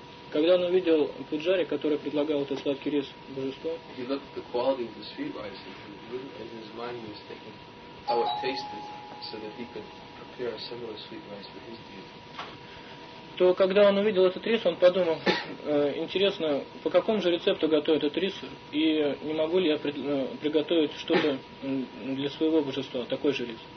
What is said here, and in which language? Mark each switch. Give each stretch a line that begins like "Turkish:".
Russian: Когда он увидел пуджари, который предлагал этот сладкий рис божеству,
English: he looked at the quality of the sweet rice and his mind was thinking how it tasted so that he could prepare a similar sweet rice for his deity.
Russian: То когда он увидел этот рис, он подумал, интересно, по какому же рецепту готовят этот рис, и не могу ли я приготовить что-то для своего божества, такой же рис.